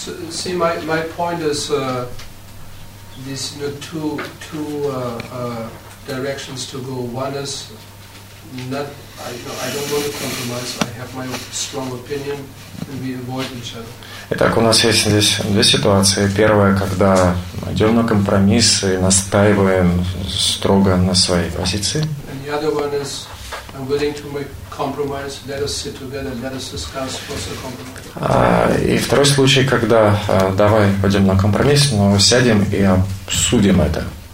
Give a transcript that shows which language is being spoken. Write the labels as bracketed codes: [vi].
[en] See, my point is this, you know, two directions to go. One is I don't want to compromise. I have my strong opinion, and we avoid each other. [ru] Итак, у нас есть здесь две ситуации. Первая, когда идем на компромисс и настаиваем строго на своей позиции. [en] And the other one is I'm willing to make compromise. Let us sit together. Let us discuss what's the compromise. [ru] И второй случай, когда давай пойдем на компромисс, но сядем и обсудим это.